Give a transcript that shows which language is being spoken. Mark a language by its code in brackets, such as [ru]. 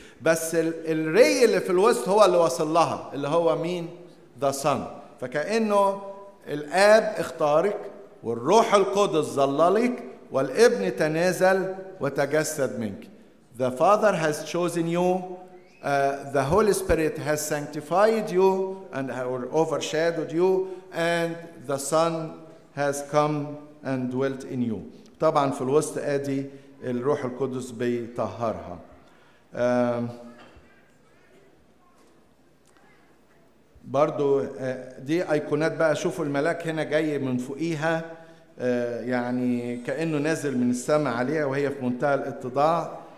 [ar] بس الري اللي في الوسط هو اللي وصل لها, اللي هو مين؟ [en] The Son. [ar] فكأنه الآب اختارك والروح القدس ظللك والابن تنازل وتجسد منك. [en] The Father has chosen you, the Holy Spirit has sanctified you and overshadowed you, and the Son has come and dwelt in you. [ar] طبعا في الوسط آدي الروح القدس بيطهرها. برضو دي ايقونات بقى. شوفوا الملاك هنا جاي من فوقيها, يعني كأنه نازل من السماء عليها وهي في منتهى الاتضاع.